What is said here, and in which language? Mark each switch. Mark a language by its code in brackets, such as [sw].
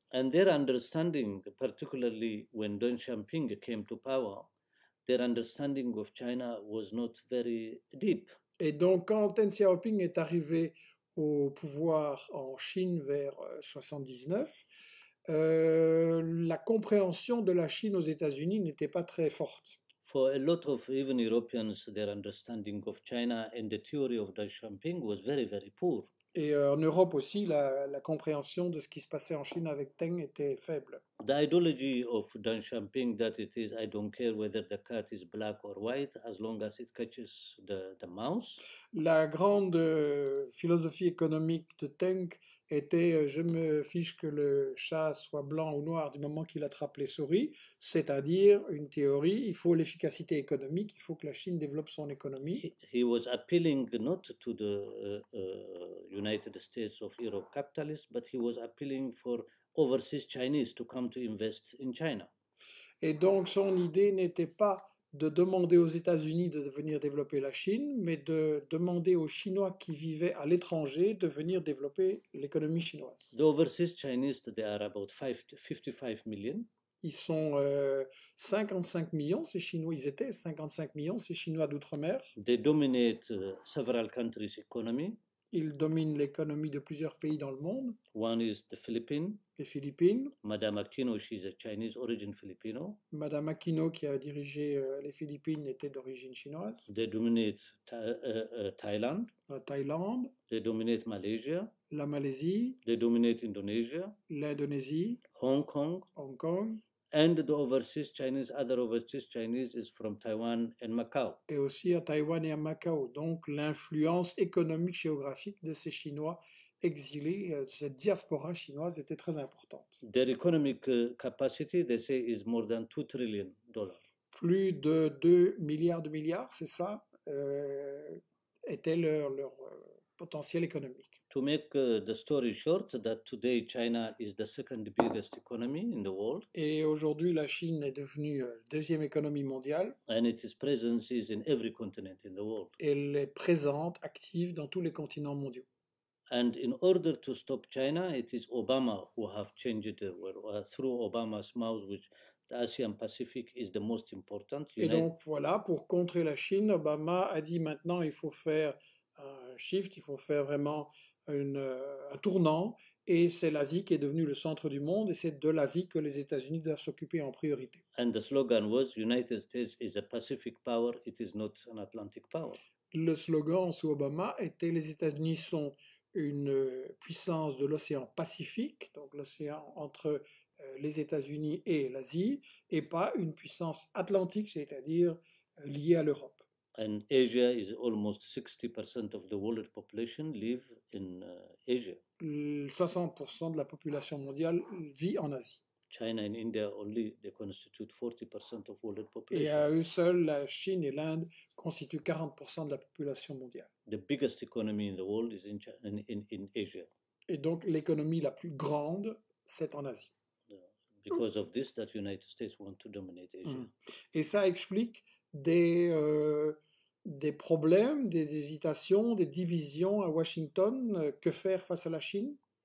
[en] And their understanding, particularly when Deng Xiaoping came to power, their understanding of China was not very deep. [fr] Et donc quand Deng Xiaoping est arrivé au pouvoir en Chine vers 79, la compréhension de la Chine aux États-Unis n'était pas très forte. [en] For a lot of even Europeans, their understanding of China and the theory of Deng Xiaoping was very, very poor. [fr] Et en Europe aussi, la compréhension de ce qui se passait en Chine avec Deng était faible. [en] The ideology of Deng Xiaoping, that it is, I don't care whether the cat is black or white, as long as it catches the mouse. [fr] La grande philosophie économique de Deng était « je me fiche que le chat soit blanc ou noir du moment qu'il attrape les souris », c'est-à-dire une théorie, il faut l'efficacité économique, il faut que la Chine développe son économie. [en] He was appealing not to the United States of Euro capitalists, but he was appealing for overseas Chinese to come to invest in China. [fr] Et donc son idée n'était pas de demander aux États-Unis de venir développer la Chine, mais de demander aux Chinois qui vivaient à l'étranger de venir développer l'économie chinoise. [en] The overseas Chinese, they are about 55 million. [fr] Ils sont 55 millions, ces Chinois, ils étaient 55 millions, ces Chinois d'outre-mer. [en] They dominate several countries' economy. [fr] Il domine l'économie de plusieurs pays dans le monde. [en] One is the Philippines. [fr] Les Philippines. [en] Madame Aquino, she's a Chinese origin Filipino. [fr] Madame Aquino, qui a dirigé les Philippines, était d'origine chinoise. [en] They dominate Thailand. [fr] La Thaïlande. [en] They dominate Malaysia. [fr] La Malaisie. [en] They dominate Indonesia. [fr] L'Indonésie. [en] Hong Kong. [fr] Hong Kong. [en] And the overseas Chinese, other overseas Chinese is from Taiwan and Macau. [fr] Et aussi à Taïwan et à Macau. Donc l'influence économique géographique de ces Chinois exilés, cette diaspora chinoise était très importante. [en] Their economic capacity, they say, is more than $2 trillion. [fr] Plus de 2 milliards de milliards, c'est ça, était leur potentiel économique. [en] To make the story short, that today China is the second biggest economy in the world. [fr] Et aujourd'hui, la Chine est devenue la deuxième économie mondiale. [en] And its presence is in every continent in the world. [fr] Elle est présente, active dans tous les continents mondiaux. [en] And in order to stop China, it is Obama who have changed through Obama's mouth, which the ASEAN Pacific is the most important. United. [fr] Et donc voilà, pour contrer la Chine, Obama a dit maintenant il faut faire un shift, il faut faire vraiment un tournant, et c'est l'Asie qui est devenue le centre du monde, et c'est de l'Asie que les États-Unis doivent s'occuper en priorité. [en] And the slogan was United States is a Pacific power, it is not an Atlantic power. [fr] Le slogan sous Obama était les États-Unis sont une puissance de l'océan Pacifique, donc l'océan entre les États-Unis et l'Asie, et pas une puissance atlantique, c'est-à-dire liée à l'Europe. [en] And Asia is almost 60% of the world population live in Asia. [fr] 60% de la population mondiale vit en Asie. [en] China and India only they constitute 40% of world population. [fr] Et à eux seuls, la Chine et l'Inde constituent 40% de la population mondiale. [en] The biggest economy in the world is in Asia. [fr] Et donc l'économie la plus grande, c'est en Asie. [en] Because of this, that United States want to dominate Asia. [fr] Et ça explique des problèmes, des hésitations, des divisions à Washington. Que faire face à la Chine?